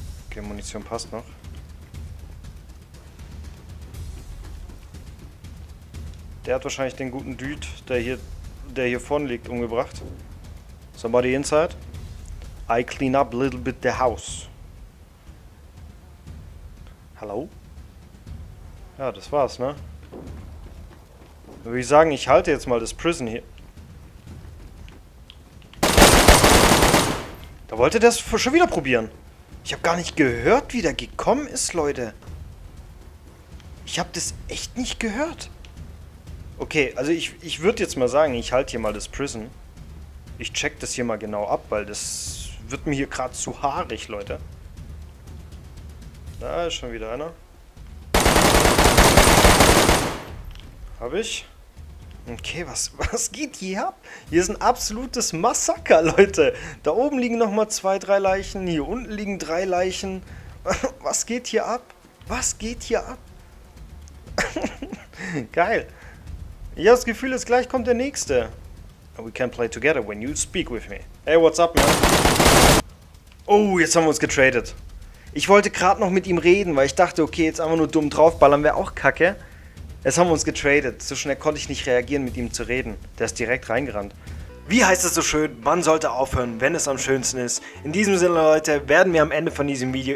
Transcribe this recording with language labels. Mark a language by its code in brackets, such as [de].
[de] Okay, Munition passt noch. Der hat wahrscheinlich den guten Dude, der hier vorne liegt, umgebracht. [en] Somebody inside? I clean up a little bit the house. [de] Hello? Ja, das war's, ne? Würde ich sagen, ich halte jetzt mal das Prison hier. Da wollte der es schon wieder probieren. Ich habe gar nicht gehört, wie der gekommen ist, Leute. Ich habe das echt nicht gehört. Okay, also ich würde jetzt mal sagen, ich halte hier mal das Prison. Ich check das hier mal genau ab, weil das wird mir hier gerade zu haarig, Leute. Da ist schon wieder einer. Habe ich. Okay, was geht hier ab? Hier ist ein absolutes Massaker, Leute. Da oben liegen nochmal zwei, drei Leichen. Hier unten liegen drei Leichen. Was geht hier ab? Was geht hier ab? Geil. Ich habe das Gefühl, jetzt gleich kommt der Nächste. [en] We can play together when you speak with me. Hey, what's up, man? [de] Oh, jetzt haben wir uns getradet. Ich wollte gerade noch mit ihm reden, weil ich dachte, okay, jetzt einfach nur dumm draufballern wäre auch kacke. Jetzt haben wir uns getradet. So schnell konnte ich nicht reagieren, mit ihm zu reden. Der ist direkt reingerannt. Wie heißt es so schön? Man sollte aufhören, wenn es am schönsten ist. In diesem Sinne, Leute, werden wir am Ende von diesem Video.